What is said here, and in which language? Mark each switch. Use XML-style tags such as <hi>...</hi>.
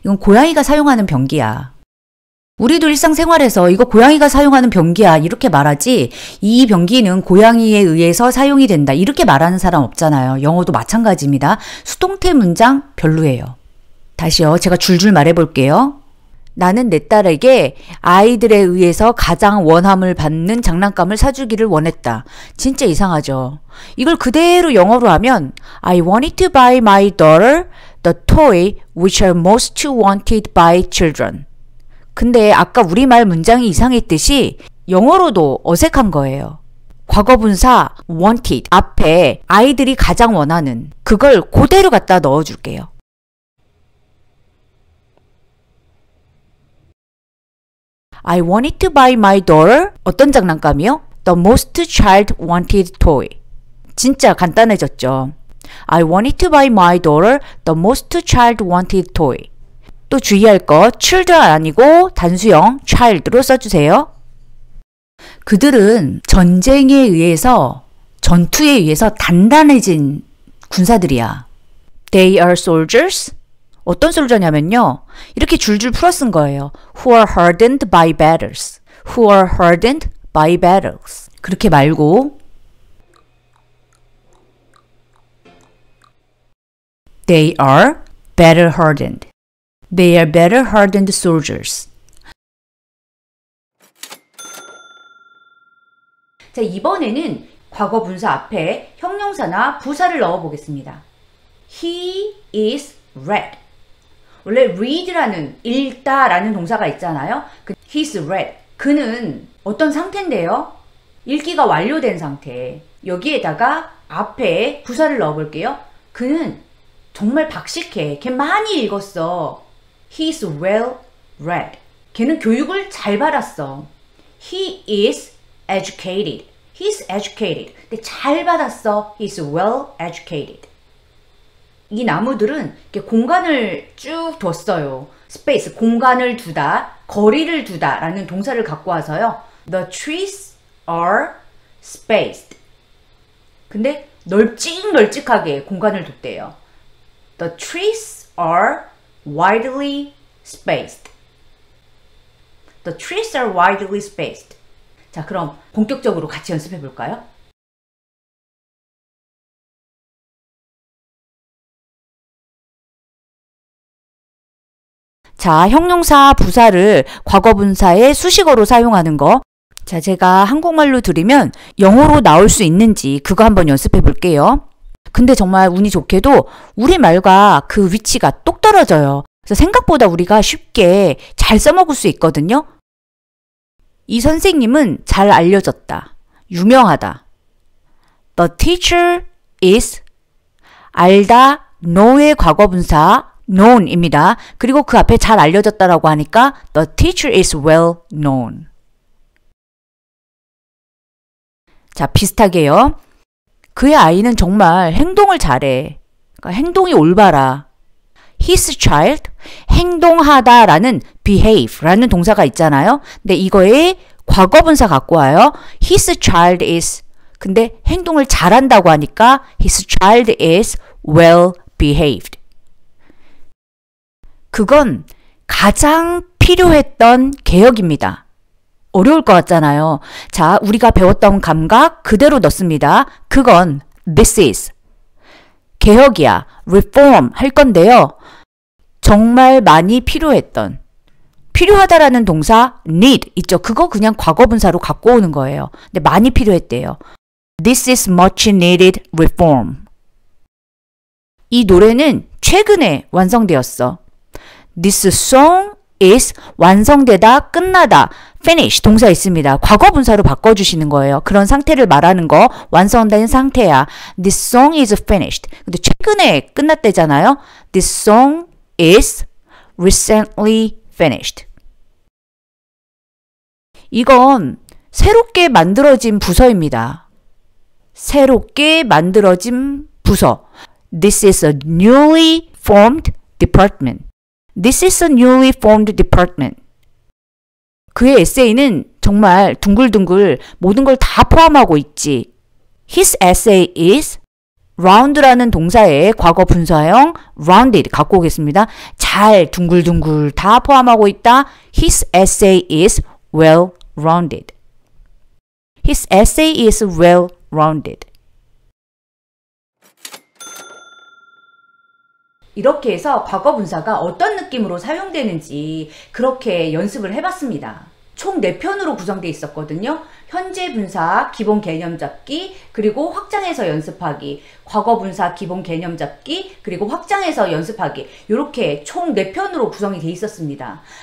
<ko>이건 고양이가 사용하는 변기야. 우리도 일상생활에서 이거 고양이가 사용하는 변기야 이렇게 말하지 이 변기는 고양이에 의해서 사용이 된다 이렇게 말하는 사람 없잖아요. 영어도 마찬가지입니다. 수동태 문장 별로예요. 다시요. 제가 줄줄 말해볼게요. 나는 내 딸에게 아이들에 의해서 가장 원함을 받는 장난감을 사주기를 원했다. 진짜 이상하죠. 이걸 그대로 영어로 하면</ko> <en>I wanted to buy my daughter the toy which are most wanted by children.</en> <ko>근데 아까 우리말 문장이 이상했듯이 영어로도 어색한 거예요. 과거분사 wanted 앞에 아이들이 가장 원하는 그걸 그대로 갖다 넣어줄게요.</ko> <en>I wanted to buy my daughter</en> <ko>어떤 장난감이요?</ko> <en>The most child wanted toy.</en> <ko>진짜 간단해졌죠.</ko> <en>I wanted to buy my daughter the most child wanted toy.</en> <ko>또 주의할 거 children 아니고 단수형 child로 써주세요. 그들은 전쟁에 의해서 전투에 의해서 단단해진 군사들이야.</ko> <en>They are soldiers.</en> <ko>어떤 솔저냐면요. 이렇게 줄줄 풀어 쓴 거예요.</ko> <en>Who are hardened by battles. Who are hardened by battles.</en> <ko>그렇게 말고</ko> <en>They are better hardened. They are better hardened soldiers.</en> <ko>자, 이번에는 과거 분사 앞에 형용사나 부사를 넣어 보겠습니다.</ko> <en>He is red.</en> <ko>원래 read라는 읽다라는 동사가 있잖아요.</ko> <en>He's read.</en> <ko>그는 어떤 상태인데요? 읽기가 완료된 상태. 여기에다가 앞에 부사를 넣어볼게요. 그는 정말 박식해. 걔 많이 읽었어.</ko> <en>He's well read.</en> <ko>걔는 교육을 잘 받았어.</ko> <en>He is educated. He's educated.</en> <ko>근데 잘 받았어.</ko> <en>He's well educated.</en> <ko>이 나무들은 이렇게 공간을 쭉 뒀어요. space, 공간을 두다, 거리를 두다 라는 동사를 갖고 와서요.</ko> <en>The trees are spaced.</en> <ko>근데 널찍널찍하게 공간을 뒀대요.</ko> <en>The trees are widely spaced. The trees are widely spaced.</en> <ko>자, 그럼 본격적으로 같이 연습해 볼까요? 자, 형용사 부사를 과거분사의 수식어로 사용하는 거. 자, 제가 한국말로 드리면 영어로 나올 수 있는지 그거 한번 연습해 볼게요. 근데 정말 운이 좋게도 우리말과 그 위치가 똑 떨어져요. 그래서 생각보다 우리가 쉽게 잘 써먹을 수 있거든요. 이 선생님은 잘 알려졌다. 유명하다.</ko> <en>The teacher is</en> <ko>알다,</ko> <en>know의 과거분사 known입니다.</en> <ko>그리고 그 앞에 잘 알려졌다라고 하니까</ko> <en>The teacher is well known.</en> <ko>자, 비슷하게요. 그의 아이는 정말 행동을 잘해. 그러니까 행동이 올바라.</ko> <en>His child,</en> <ko>행동하다 라는 behave 라는 동사가 있잖아요. 근데 이거에 과거분사 갖고 와요.</ko> <en>His child is,</en> <ko>근데 행동을 잘한다고 하니까</ko> <en>His child is well behaved.</en> <ko>그건 가장 필요했던 개혁입니다. 어려울 것 같잖아요. 자, 우리가 배웠던 감각 그대로 넣습니다. 그건</ko> <en>this is.</en> <ko>개혁이야. reform 할 건데요. 정말 많이 필요했던. 필요하다라는 동사 need 있죠. 그거 그냥 과거분사로 갖고 오는 거예요. 근데 많이 필요했대요.</ko> <en>This is much needed reform.</en> <ko>이 노래는 최근에 완성되었어.</ko> <en>This song is</en> <ko>완성되다, 끝나다, finish 동사 있습니다. 과거분사로 바꿔주시는 거예요. 그런 상태를 말하는 거, 완성된 상태야.</ko> <en>This song is finished.</en> <ko>근데 최근에 끝났대잖아요.</ko> <en>This song is recently finished.</en> <ko>이건 새롭게 만들어진 부서입니다. 새롭게 만들어진 부서.</ko> <en>This is a newly formed department. This is a newly formed department.</en> <ko>그의 에세이는 정말 둥글둥글 모든 걸 다 포함하고 있지.</ko> <en>His essay is</en> <ko>round라는 동사의 과거 분사형 rounded 갖고 오겠습니다. 잘 둥글둥글 다 포함하고 있다.</ko> <en>His essay is well rounded. His essay is well rounded.</en> <ko>이렇게 해서 과거 분사가 어떤 느낌으로 사용되는지 그렇게 연습을 해봤습니다. 총 4편으로 구성되어 있었거든요. 현재 분사 기본 개념 잡기, 그리고 확장해서 연습하기, 과거 분사 기본 개념 잡기, 그리고 확장해서 연습하기, 이렇게 총 4편으로 구성이 되어 있었습니다.</ko>